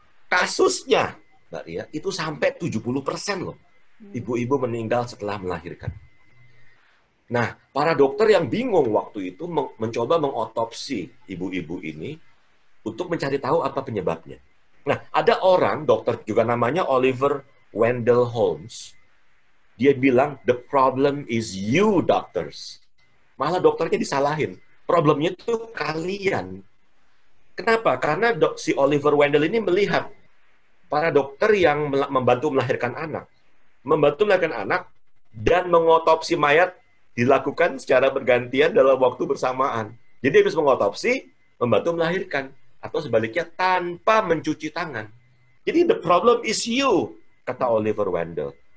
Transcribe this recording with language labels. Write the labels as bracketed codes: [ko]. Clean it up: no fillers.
[id] Kasusnya, Mbak Ria, itu sampai 70% loh. Ibu-ibu meninggal setelah melahirkan. Nah, para dokter yang bingung waktu itu mencoba mengotopsi ibu-ibu ini untuk mencari tahu apa penyebabnya. Nah, ada orang, dokter juga namanya Oliver Wendell Holmes. [en] Dia bilang, the problem is you, doctors. [id] Malah dokternya disalahin. Problemnya itu kalian. Kenapa? Karena si Oliver Wendell ini melihat para dokter yang membantu melahirkan anak. Membantu melahirkan anak dan mengotopsi mayat dilakukan secara bergantian dalam waktu bersamaan. Jadi habis mengotopsi, membantu melahirkan. Atau sebaliknya, tanpa mencuci tangan. Jadi, [en] the problem is you, [id] kata Oliver Wendell.